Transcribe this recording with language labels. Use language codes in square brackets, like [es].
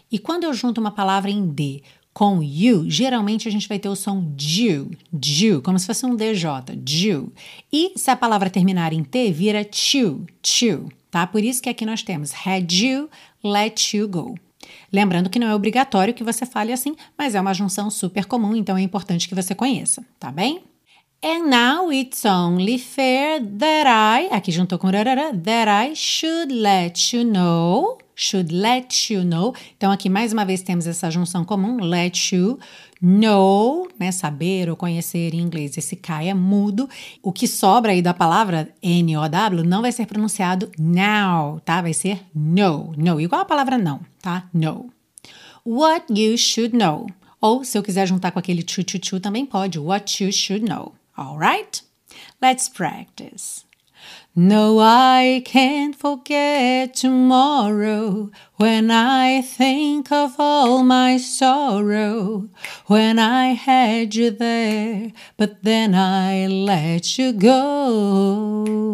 [pt] E quando eu junto uma palavra em D com you, geralmente a gente vai ter o som do, como se fosse um DJ, do. E se a palavra terminar em T, vira to, tá? Por isso que aqui nós temos [en] had you, let you go. [pt] Lembrando que não é obrigatório que você fale assim, mas é uma junção super comum, então é importante que você conheça, tá bem? [en] And now it's only fair that I, [pt] aqui juntou com rarara, [en] that I should let you know. Should let you know. [pt] Então, aqui, mais uma vez, temos essa junção comum. [en] Let you know, [pt] né? Saber ou conhecer em inglês. Esse K é mudo. O que sobra aí da palavra N-O-W não vai ser pronunciado now, tá? Vai ser no. No, igual a palavra não, tá? No. [en] What you should know. [pt] Ou, se eu quiser juntar com aquele tchu-tchu-tchu, também pode. [en] What you should know. All right? Let's practice. No, I can't forget tomorrow when I think of all my sorrow when I had you there, but then I let you go.